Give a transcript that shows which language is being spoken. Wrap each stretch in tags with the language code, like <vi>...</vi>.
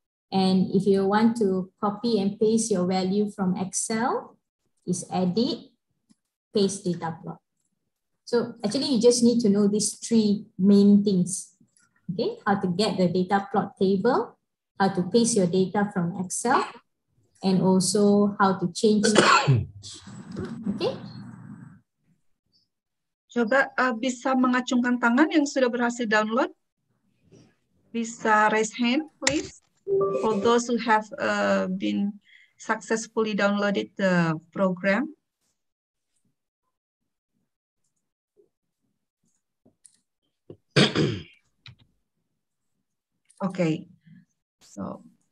<en>And if you want to copy and paste your value from Excel, is edit, paste data plot. So actually you just need to know these three main things. Okay, how to get the data plot table, how to paste your data from Excel, and also how to change it. Okay.</en> <id>Coba bisa mengacungkan tangan yang sudah berhasil download. Bisa</id> <en>raise hand, please. For those who have been successfully downloaded the program. Okay. So.</en>